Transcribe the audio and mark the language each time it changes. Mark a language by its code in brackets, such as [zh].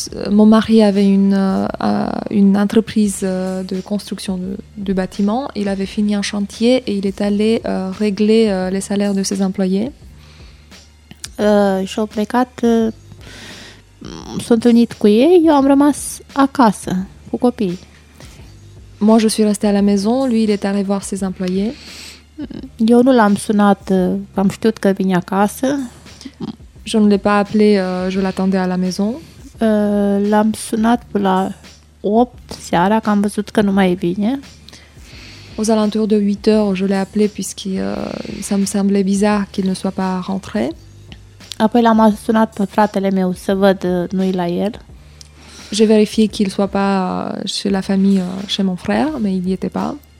[fr] Mon mari avait une entreprise de construction de bâtiments. Il avait fini un chantier et il est allé régler les salaires de ses employés. [ro] Și-au plecat, sunt unit cu ei, eu am rămas acasă, cu copiii. [fr] Moi, je suis restée à la maison, lui, il est allé voir ses employés. [ro] Eu nu l-am sunat, am știut că vine acasă. [fr] Je ne l'ai pas appelé, je l'attendais à la maison. [ro] L'am sunat la 8 seara, că am văzut că nu mai vine. [fr] Aux alentours de 8 heures, je l'ai appelé puisque ça me semblait bizarre qu'il ne soit pas rentré. [ro] Apoi l-am sunat pe fratele meu să văd nu-i la el. [fr] J'ai vérifié qu'il soit pas chez la famille, chez mon frère, mais il n'y était pas.